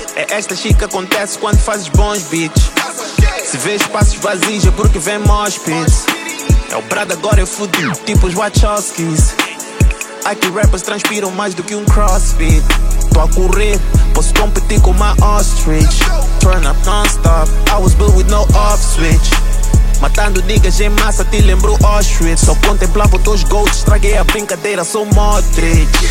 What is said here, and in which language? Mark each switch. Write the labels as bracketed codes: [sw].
[pt] Esta chica acontece quando fazes bons beats. Se vês espaços vazios é porque vem mospits. É o brado agora, eu fudo tipo os Wachowskis. Aqui rappers transpiram mais do que um crossfit. Tô a correr, posso competir com uma ostrich. [en] Turn up non-stop, I was built with no off switch. [pt] Matando niggas em massa, te lembro Auschwitz. Só contemplava os teus goats, estraguei a brincadeira, sou Modric.